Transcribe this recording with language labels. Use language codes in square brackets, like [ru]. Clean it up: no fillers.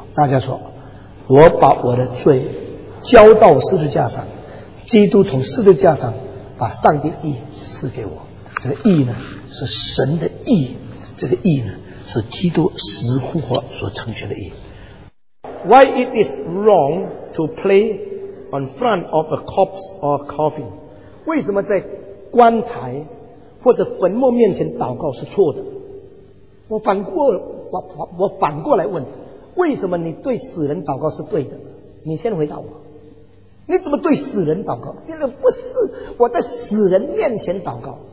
[zh] 大家说，我把我的罪交到十字架上，基督从十字架上把上帝义赐给我。这个义呢是神的义，这个义呢是基督死复活所成全的义。 [en] Why it is wrong to play on front of a corpse or coffin? [zh] 为什么在棺材或者坟墓面前祷告是错的？我反过来问，为什么你对死人祷告是对的？你先回答我，你怎么对死人祷告？因为不是我在死人面前祷告。